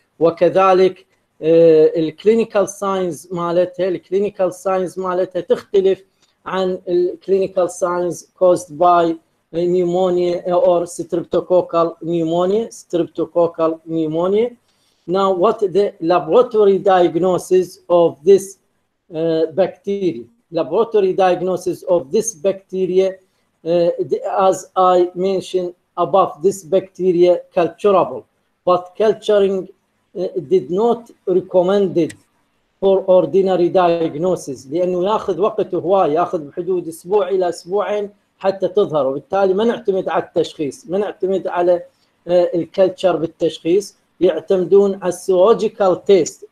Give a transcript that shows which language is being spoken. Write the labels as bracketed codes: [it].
[ar] وكذلك [en] الكلينيكال ساينز [ar] مالتها، [en] الكلينيكال ساينز [ar] مالتها تختلف عن [en] الكلينيكال signs caused by pneumonia or streptococcal pneumonia. Streptococcal pneumonia. Now, what the laboratory diagnosis of this bacteria? Laboratory diagnosis of this bacteria, as I mentioned above, this bacteria culturable, but culturing did not recommended for ordinary diagnosis. [ar] لأنه يأخذ وقت هواي، يأخذ بحدود أسبوع إلى أسبوعين حتى تظهر، وبالتالي ما نعتمد على التشخيص، ما نعتمد على الكلتشر بالتشخيص، يعتمدون على السيروجيكال تيست.